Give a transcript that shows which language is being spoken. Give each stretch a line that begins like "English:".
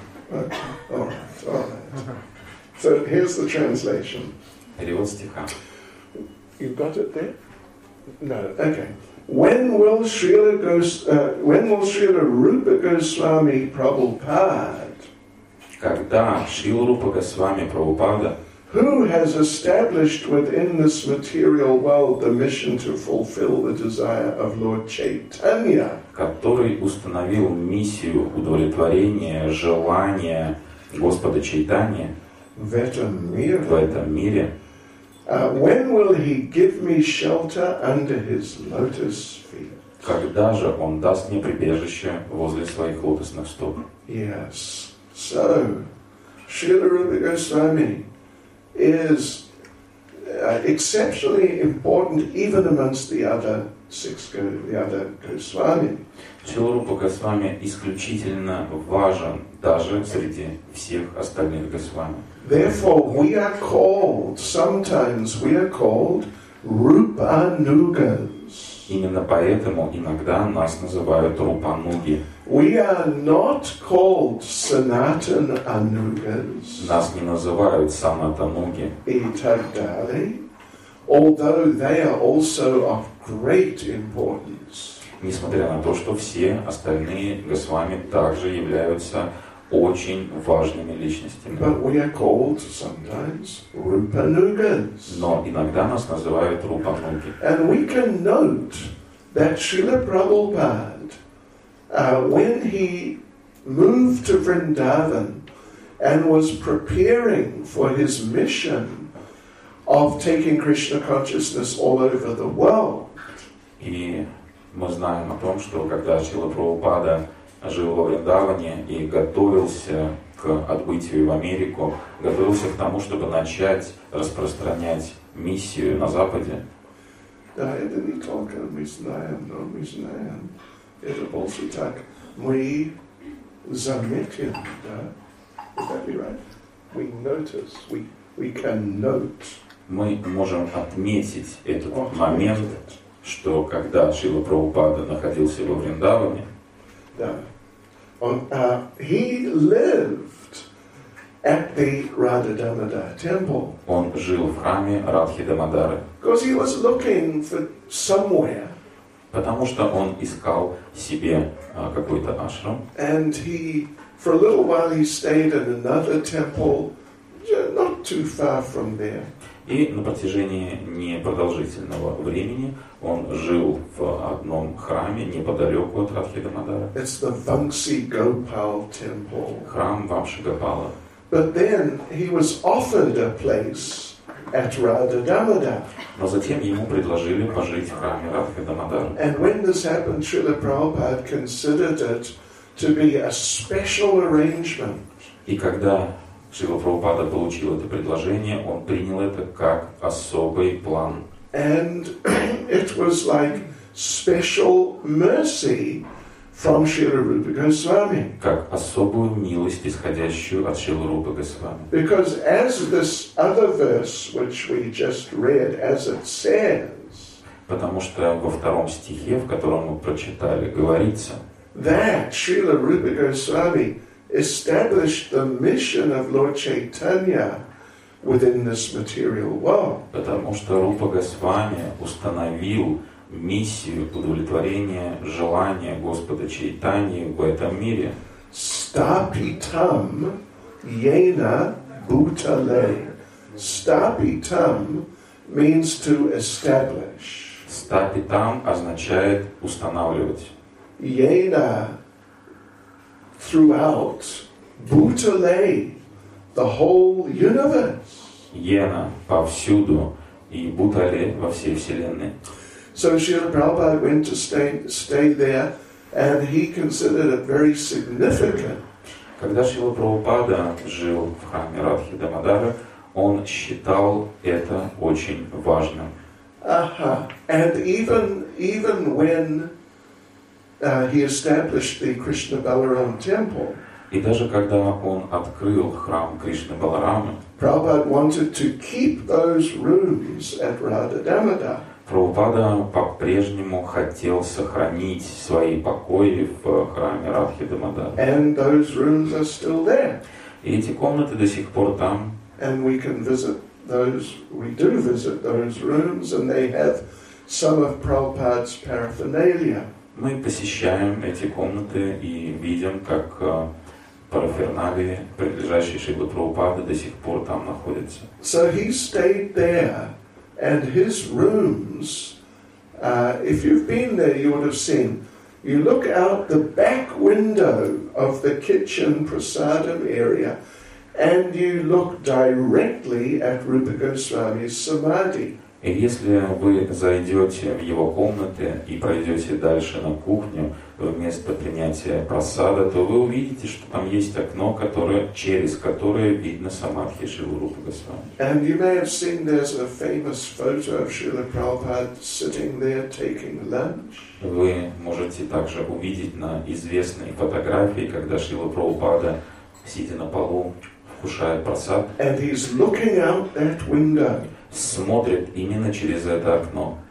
English: Okay. All right. So here's the translation.
Russian: Перевод стиха.
English: You got it there? No. Okay. When will Srila Rupa Goswami Prabhupada?
Russian: Когда Шрила Рупа Госвами Прабхупада?
English: Who has established within this material world the mission to fulfill the desire of Lord Chaitanya?
Russian: Который установил миссию удовлетворения желания Господа Чайтанья? В этом мире. В этом мире.
English: When will he give me shelter under his lotus feet?
Russian: Когда же он даст мне прибежище возле своих лотосных стоп?
English: Yes. So, Srila Rupa Goswami is exceptionally important even amongst the other Goswami.
Russian: Srila Rupa Goswami исключительно важен даже среди всех остальных Госвами.
English: Therefore, we are called Rupanugas.
Russian: Именно поэтому иногда нас называют Рупануги.
English: We are not called Sanatan Anugas.
Russian: Нас не называют Санатануги. И так далее.
English: Although they are also of great importance.
Russian: Несмотря на то, что все остальные Госвами также являются очень важными личностями.
English: But we are called sometimes Rupanugas.
Russian: Но иногда нас называют Рупануги.
English: And we can note that Srila Prabhupada, when he moved to Vrindavan and was preparing for his mission of taking Krishna consciousness all over the world.
Russian: И мы знаем о том, что когда Шрила Прабхупада жил во Вриндаване и готовился к отбытию в Америку, готовился к тому, чтобы начать распространять миссию на Западе. Да, это не только мы знаем. Это больше так. Мы заметим, да?
English: Is that right? We notice, we can note.
Russian: Мы можем отметить этот момент, что когда Шрила Прабхупада находился во Вриндаване,
English: да. He lived at the Radha Damodar temple.
Russian: Он жил в храме Радхи Дамодары.
English: Because he was looking for somewhere.
Russian: Потому что он искал себе какой-то ашрам.
English: And he, for a little while, he stayed in another temple, not too far from there.
Russian: И на протяжении непродолжительного времени он жил в одном храме неподалеку от Радхи Дамодары.
English: It's the Vamsi Gopal temple.
Russian: Храм Вамши Гопала.
English: But then he was offered a place at Radha Damodar.
Russian: Но затем ему предложили пожить в храме Радхи Дамодары.
English: And when this happened, Srila Prabhupada considered it to be a special arrангемент.
Russian: И когда Шрила Прабхупада получил это предложение, он принял это как особый план.
English: And it was like special mercy from Śrīla Rūpa Gosvāmī.
Russian: Как особую милость, исходящую от Śrīla Rūpa Gosvāmī.
English: Because as this other verse which we just read, as it says,
Russian: потому что во втором стихе, в котором мы прочитали, говорится,
English: that Śrīla Rūpa Gosvāmī established the mission of Lord Chaitanya within this material world.
Russian: Потому что Рупа Госвами установил миссию удовлетворения желания Господа Чайтаньи в этом мире.
Sanskrit: Stapitam yena bhutale.
English: Stapitam means to establish.
Russian: Stapitam означает устанавливать.
English: Yena throughout bhutale, the whole universe.
Russian: Йена повсюду и Бутале во всей вселенной.
English: So Śrīla Prabhupāda went to stay there, and he considered it very significant.
Russian: Когда Śrīla Prabhupāda жил в храме Радхи Дамодара, он считал это очень важным.
English: And even when he established the Krishna Balaram temple.
Russian: И даже когда он открыл храм Кришны Баларамы,
English: Prabhupada wanted to keep those rooms at Radha Damodar.
Russian: Prabhupada по-прежнему хотел сохранить свои покои в храме Радхи Дамодара.
English: And those rooms are still there.
Russian: И эти комнаты до сих пор там.
English: And we can visit those, we do visit those rooms, and they have some of Prabhupada's paraphernalia.
Russian: Мы посещаем эти комнаты и видим, как параферналии, принадлежащие Шрилы Прабхупады, до сих пор там находятся.
English: So he stayed there, and his rooms, if you've been there, you would have seen, you look out the back window of the kitchen prasadam area, and you look directly at Rupa Goswami's samadhi.
Russian: И если вы зайдете в его комнаты и пройдете дальше на кухню, вместо принятия прасада, то вы увидите, что там есть окно, которое, через которое видно самадхи Шрилы Рупы Госвами.
English: And you may have seen there's a famous photo of Śrīla Prabhupāda sitting there taking lunch.
Russian: Вы можете также увидеть на известной фотографии, когда Шрила Прабхупада, сидя на полу, кушает прасад.
English: And he's looking out that window.
Russian: Смотрит именно через это окно.